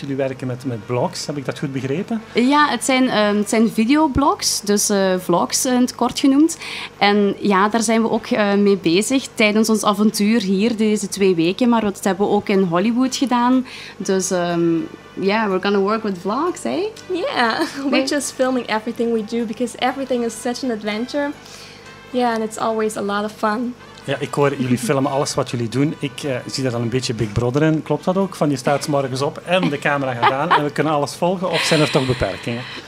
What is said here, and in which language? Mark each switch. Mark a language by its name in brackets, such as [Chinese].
[Dutch] Jullie werken met blogs, heb ik dat goed begrepen? Ja, het zijn videoblogs, dus vlogs in het kort genoemd. En ja, daar zijn we ook mee bezig tijdens ons avontuur hier deze 2 weken. Maar dat hebben we ook in Hollywood gedaan. [English] Dus we're gonna work with vlogs, hey? Yeah, we're just filming everything we do because everything is such an adventure. Yeah, and it's always a lot of fun. [Dutch] Ja, ik hoor jullie filmen alles wat jullie doen. Ik zie daar dan een beetje Big Brother in. Klopt dat ook? Van je staat morgens op en de camera gaat aan en we kunnen alles volgen. Of zijn er toch beperkingen?